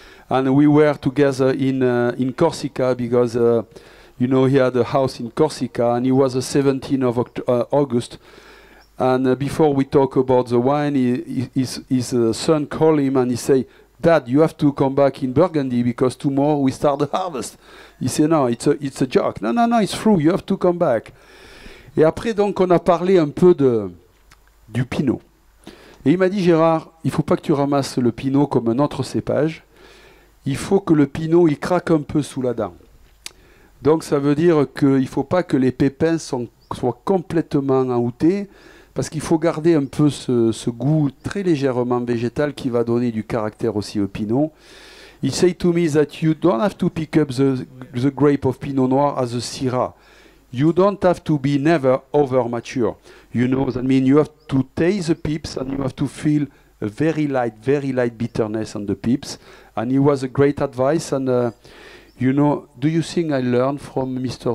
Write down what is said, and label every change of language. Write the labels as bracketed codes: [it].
[en] And we were together in Corsica because, you know, he had a house in Corsica, and it was the 17th of August. And before we talk about the wine, his son called him and he said, Dad, you have to come back in Burgundy because tomorrow we start the harvest. He said, no, it's a joke. No, it's true, you have to come back. [fr] Et après, donc, on a parlé un peu du pinot. Et il m'a dit, Gérard, il faut pas que tu ramasses le pinot comme un autre cépage. Il faut que le pinot, il craque un peu sous la dent. Donc ça veut dire qu'il faut pas que les pépins soient complètement envoûtés, parce qu'il faut garder un peu ce goût très légèrement végétal qui va donner du caractère aussi au pinot. [en] He said to me that you don't have to pick up the grape of pinot noir as a Syrah. You don't have to be never over mature. You know what I mean? You have to taste the peeps and you have to feel a very light bitterness on the peeps. And it was a great advice. And you know, do you think I learned from Mr.